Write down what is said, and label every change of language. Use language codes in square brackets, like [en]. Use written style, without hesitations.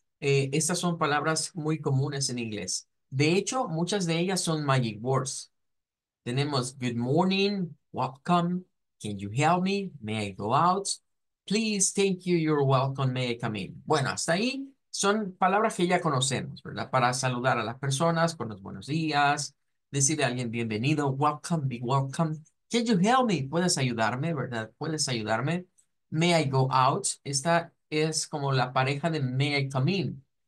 [es] Estas son palabras muy comunes en inglés. De hecho, muchas de ellas son magic words. [en] Tenemos good morning, welcome, can you help me, may I go out, please, thank you, you're welcome, may I come in. [es] Bueno, hasta ahí son palabras que ya conocemos, ¿verdad? Para saludar a las personas con los buenos días, decirle a alguien bienvenido, welcome, be welcome. Can you help me? ¿Puedes ayudarme, verdad? ¿Puedes ayudarme? May I go out? Esta es como la pareja de may I come in.